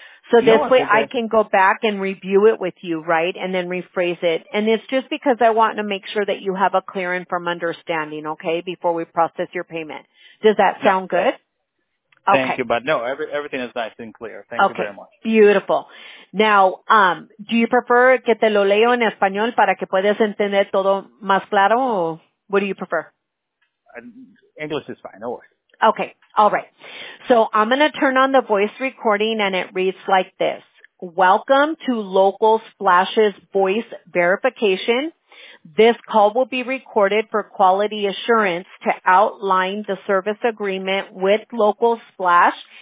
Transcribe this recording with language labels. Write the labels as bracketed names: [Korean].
[English] So this way I can go back and review it with you, right, and then rephrase it. And it's just because I want to make sure that you have a clear and firm understanding, okay, before we process your payment. Does that sound good? Okay. Thank you, but no, everything is nice and clear. Thank you very much. Beautiful. Now, do you prefer [Spanish] que te lo leo en español para que puedas entender todo más claro, o [English] what do you prefer? English is fine. No worries. Okay. All right. So I'm going to turn on the voice recording, and it reads like this. Welcome to Local Splash's voice verification. This call will be recorded for quality assurance to outline the service agreement with Local Splash